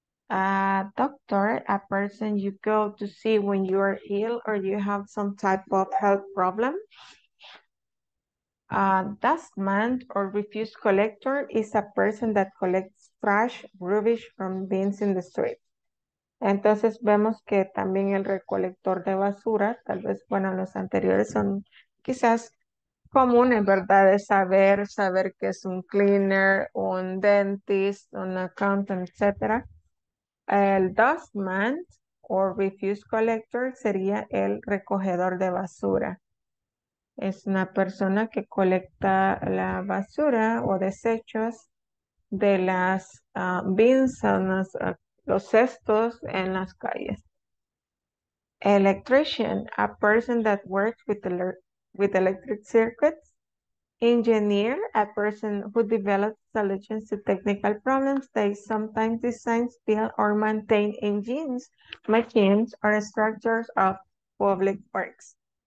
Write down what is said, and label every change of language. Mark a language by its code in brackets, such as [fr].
[en] A doctor, a person you go to see when you are ill or you have some type of health problem. A dustman or refuse collector is a person that collects trash, rubbish from bins in the street. [es] Entonces vemos que también el recolector de basura, tal vez, bueno, los anteriores son quizás común, en verdad, de saber que es un cleaner, un dentist, un accountant, etc. El dustman o refuse collector sería el recogedor de basura. Es una persona que colecta la basura o desechos de las bins, los cestos en las calles. [en] Electrician, a person that works with electric circuits. Engineer, a person who develops solutions to technical problems. They sometimes design, build, or maintain engines, machines, or structures of public works.